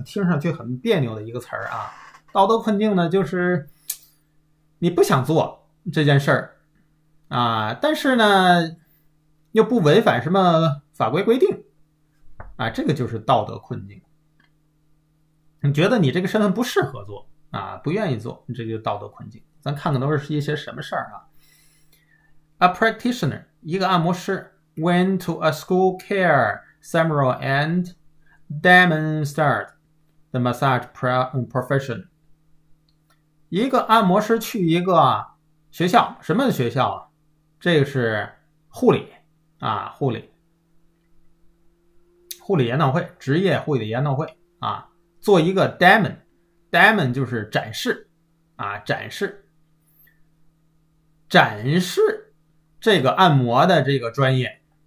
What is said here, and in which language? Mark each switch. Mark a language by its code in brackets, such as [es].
[zh] 听上去很别扭的一个词儿啊。道德困境呢就是你不想做这件事儿啊，但是呢又不违反什么法规规定啊，这个就是道德困境。你觉得你这个身份不适合做啊，不愿意做，这就是道德困境。咱看看都是一些什么事儿啊。 [en] A practitioner, [zh] 一个按摩师 [en] went to a school care seminar and demonstrated the massage profession. [zh] 一个按摩师去一个学校，什么学校啊？这个是护理啊，护理。护理研讨会，职业护理研讨会啊，做一个 demon。 Demon 就是展示啊，展示，展示这个按摩的这个专业。